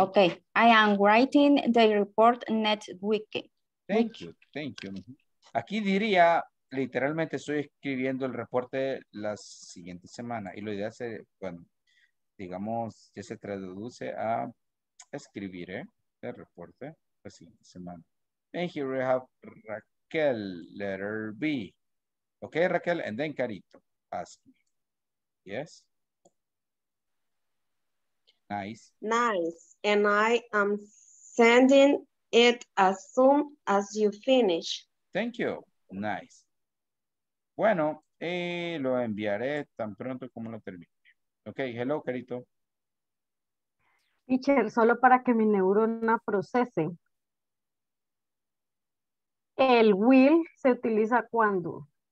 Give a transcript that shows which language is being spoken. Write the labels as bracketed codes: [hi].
[en] Okay. I am writing the report next week. Thank you. [es] Aquí diría, literalmente, estoy escribiendo el reporte la siguiente semana. Y lo ideal es, bueno, digamos, ya se traduce a escribir el reporte la siguiente semana. [en] And here we have Raquel, letter B. Okay, Raquel, and then Carito, ask me. Yes. Nice. And I am sending it as soon as you finish. Thank you. Nice. [es] Bueno, lo enviaré tan pronto como lo termine. [en] Okay, hello, Carito. [es] Teacher, solo para que mi neurona procese. El will se utiliza cuando.